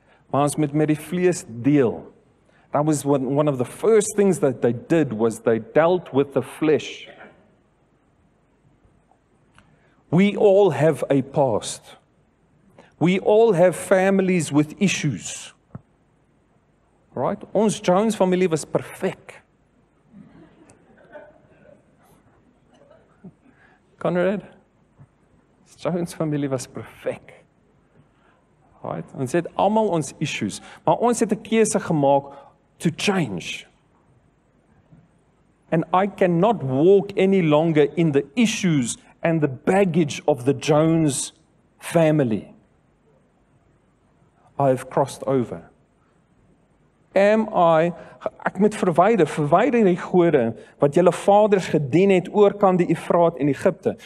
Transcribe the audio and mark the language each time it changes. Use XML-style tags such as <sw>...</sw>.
<af>Maar ons moet met die vlees deel.</af> <en>That was one of the first things that they did was they dealt with the flesh. We all have a past. We all have families with issues. Right?</en> <af>Ons</af> <en>Jones family was perfect. Conrad? Jones family was perfect. Right?</en> <af>Ons het almal ons issues. Maar ons het 'n keuse gemaak</af> <en>to change. And I cannot walk any longer in the issues and the baggage of the Jones family. I have crossed over. Am I,</en> <af>ek moet verwyder die gode wat julle vaders gedien het oor kan die Efraat in Egipte.</af>